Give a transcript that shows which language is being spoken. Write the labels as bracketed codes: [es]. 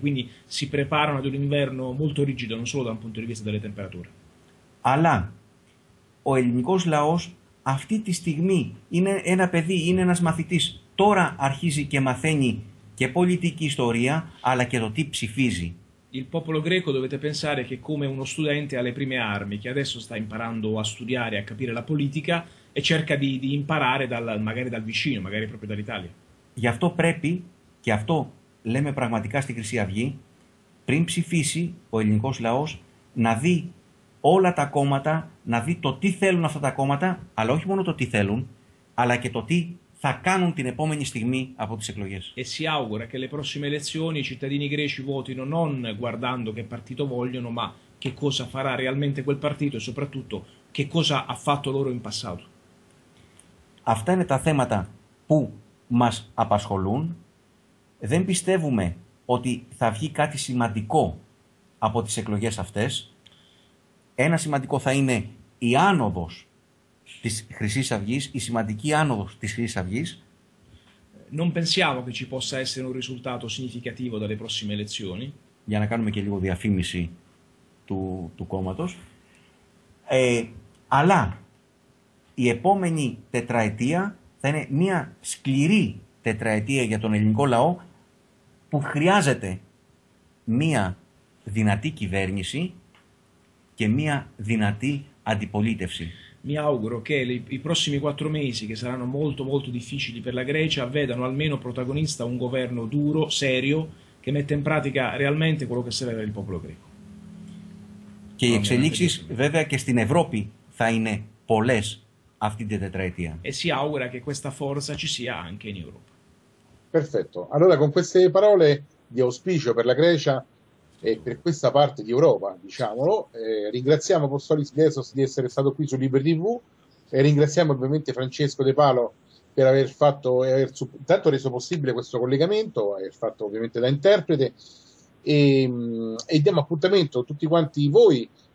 [it] Quindi si preparano ad un inverno molto rigido, non solo da un punto di vista delle temperature. [el] Αλλά ο ελληνικός λαός αυτή τη στιγμή είναι ένα παιδί, είναι ένας μαθητής. Τώρα αρχίζει και μαθαίνει και πολιτική ιστορία, αλλά και το τι ψηφίζει. [it] Il popolo greco dovete pensare che come uno studente alle prime armi, che adesso sta imparando a studiare, a capire la politica e cerca di imparare magari dal vicino, magari proprio dall'Italia. [el] Γι' αυτό πρέπει, και αυτό λέμε πραγματικά στη Χρυσή Αυγή, πριν ψηφίσει ο ελληνικός λαός να δει όλα τα κόμματα, να δει το τι θέλουν αυτά τα κόμματα, αλλά όχι μόνο το τι θέλουν, αλλά και το τι θα κάνουν την επόμενη στιγμή από τις εκλογές. [it] E si augura che le prossime elezioni i cittadini greci votino non guardando che partito vogliono, ma che cosa farà realmente quel partito e soprattutto che cosa ha fatto loro in passato. [el] Αυτά είναι τα θέματα που μας απασχολούν. Δεν πιστεύουμε ότι θα βγει κάτι σημαντικό από τις εκλογές αυτές. Ένα σημαντικό θα είναι η άνοδος της Χρυσής Αυγής, η σημαντική άνοδος της Χρυσής Αυγής. [it] Non pensiamo che ci possa essere un risultato significativo dalle prossime elezioni. [el] Για να κάνουμε και λίγο διαφήμιση του κόμματος. Αλλά η επόμενη τετραετία θα είναι μια σκληρή τετραετία για τον ελληνικό λαό που χρειάζεται μια δυνατή κυβέρνηση και μια δυνατή αντιπολίτευση. [it] Mi auguro che i prossimi quattro mesi, che saranno molto molto difficili per la Grecia, vedano almeno protagonista un governo duro, serio, che mette in pratica realmente quello che serve per il popolo greco. [el] Και οι εξελίξεις βέβαια και στην Ευρώπη θα είναι πολλές αυτή την τετραετία. [it] E si augura che questa forza ci sia anche in Europa. Perfetto. Allora con queste parole di auspicio per la Grecia e per questa parte di Europa, diciamolo, ringraziamo Apostolis Gesos di essere stato qui su Liberi TV e ringraziamo ovviamente Francesco De Palo per aver fatto e aver intanto reso possibile questo collegamento, aver fatto ovviamente da interprete e diamo appuntamento a tutti quanti voi